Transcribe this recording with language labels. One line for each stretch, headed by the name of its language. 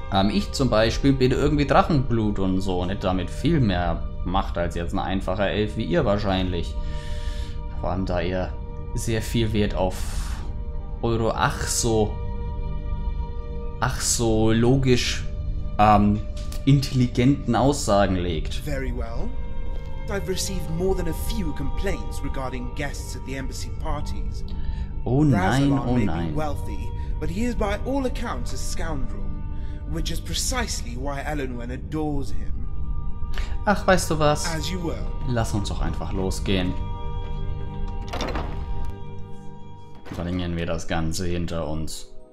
German: Ich zum Beispiel bin irgendwie Drachenblut und so und hätte damit viel mehr Macht als jetzt ein einfacher Elf wie ihr wahrscheinlich. Vor allem da ihr sehr viel Wert auf eure ach so logisch intelligenten Aussagen legt.
English: Very well. I've received more than a few complaints regarding guests at the embassy parties.
German: Oh nein.
English: Wealthy, but he is by all accounts a scoundrel, which is precisely why Elenwen adores him.
German: Ach, weißt du was?
English: As you were.
German: Lass uns doch einfach losgehen. Bringen wir das Ganze hinter uns.